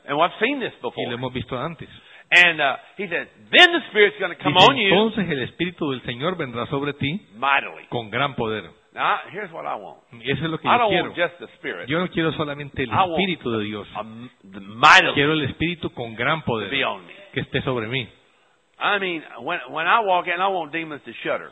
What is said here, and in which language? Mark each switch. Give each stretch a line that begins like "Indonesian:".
English: And I've seen this before.
Spanish: Y lo hemos visto antes.
English: And he said, then the Spirit's going to come on you.
Spanish: Entonces el Espíritu del Señor vendrá sobre ti.
English: Mightily.
Spanish: Con gran poder.
English: Now, here's what I want.
Spanish: Eso es lo que
English: I don't
Spanish: yo quiero.
English: Want just the Spirit.
Spanish: Yo no quiero solamente el Espíritu de Dios. Quiero el Espíritu con gran poder que esté sobre mí.
English: I mean, when I walk in, I want demons to shudder.